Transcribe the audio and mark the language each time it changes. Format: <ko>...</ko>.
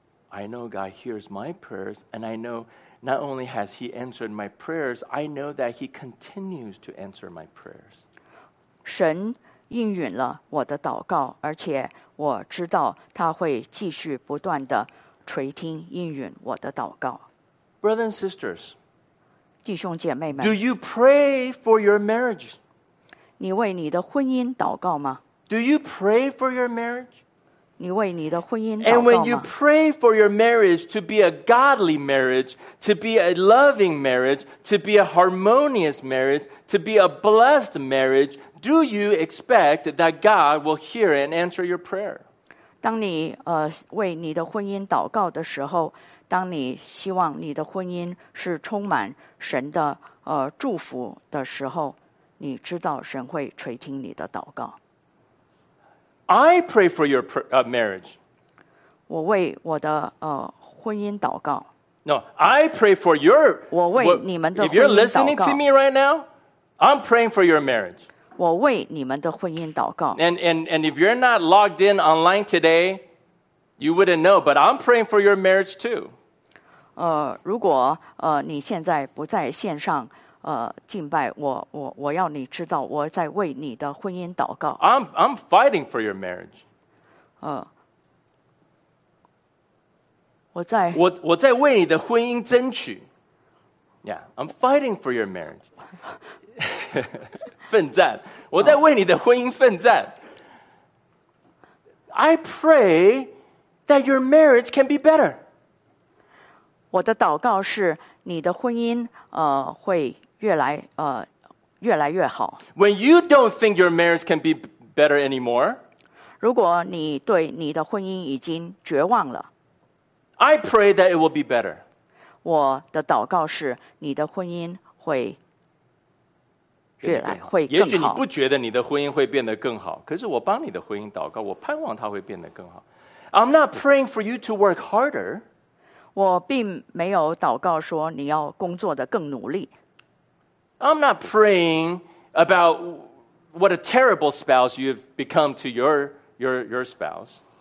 <en>I know God hears my prayers and I know not only has he answered my prayers, I know that he continues to answer my prayers.</en> <zh>神应允了我的祷告，而且我知道他会继续不断的垂听应允我的祷告。</zh> <en>Brothers and sisters,</en> <zh>弟兄姐妹们，</zh> <en>do you pray for your marriage?</en> <zh>你为你的婚姻祷告吗？</zh> <en>Do you pray for your marriage?</en> <zh>你为你的婚姻祷告吗？</zh> <en>And when you pray for your marriage to be a godly marriage, to be a loving marriage, to be a harmonious marriage, to be a blessed marriage, do you expect that God will hear and answer your prayer?</en> <zh>当你为你的婚姻祷告的时候，当你希望你的婚姻是充满神的祝福的时候，你知道神会垂听你的祷告。</zh> <en>I pray for your marriage.</en> <zh>我为我的婚姻祷告。</zh> <en>No, I pray for your.</en> <zh>我为你们的婚姻祷告。</zh> <en>If you're listening to me right now, I'm praying for your marriage.</en> <zh>我为你们的婚姻祷告。</zh> <en>And if you're not logged in online today, you wouldn't know, but I'm praying for your marriage too.</en> <zh>如果你现在不在线上敬拜，我要你知道我在为你的婚姻祷告。</zh> <en>I'm fighting for your marriage.</en> <zh>我在为你的婚姻争取。</zh> <en>Yeah, I'm fighting for your marriage.</en> <zh>奋战，我在为你的婚姻奋战。</zh> <en>I pray that your marriage can be better.</en> <zh>我的祷告是你的婚姻会越来越来越好。</zh> <en>When you don't think your marriage can be better anymore,</en> <zh>如果你对你的婚姻已经绝望了</zh> <en>I pray that it will be better.</en> <zh>我的祷告是你的婚姻会越来会更好。也许你不觉得你的婚姻会变得更好，可是我帮你的婚姻祷告，我盼望它会变得更好。</zh> <en>I'm not praying for you to work harder.</en> <zh>我并没有祷告说你要工作的更努力。</zh> <en>I'm not praying about what a terrible spouse you've become to your spouse.</en>